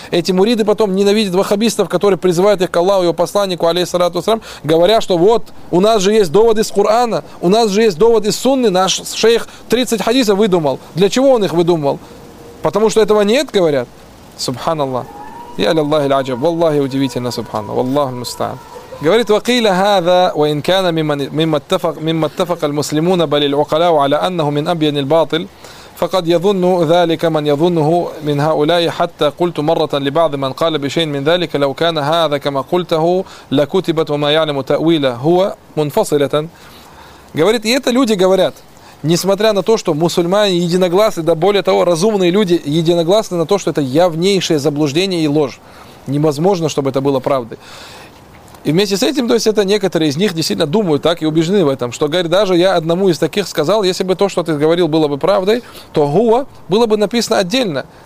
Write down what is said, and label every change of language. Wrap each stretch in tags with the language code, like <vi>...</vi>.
<ru>Эти муриды потом ненавидят ваххабистов, которые призывают их к Аллаху, его посланнику, алейхиссалату вассалям, говоря, что вот, у нас же есть довод из Корана, у нас же есть довод из Сунны, наш шейх 30 хадисов выдумал. Для чего он их выдумал? Потому что этого нет, говорят. Субханаллах. Я лиллахи л'аджаб. Валлахи удивительно, субханна. Валлаху мустаан.</ru> <ar>Говорит, وقيل هذا وإن كان مما اتفق المسلمون بل العقلاء على أنه من أبين الباطل فقد يظن ذلك من يظنه من هؤلاء حتى قلت مرة لبعض من قال بشيء من ذلك لو كان هذا كما قلته لكتبت وما يعلم تأويله هو منفصلة.</ar> <ru>Говорит, и это люди говорят, несмотря на то, что мусульмане единогласны, да более того, разумные люди единогласны на то, что это явнейшее заблуждение и ложь. Невозможно, чтобы это было правдой. И вместе с этим, то есть это некоторые из них действительно думают так и убеждены в этом, что, говорит, даже я одному из таких сказал, если бы то, что ты говорил, было бы правдой, то «гуа» было бы написано отдельно.</ru>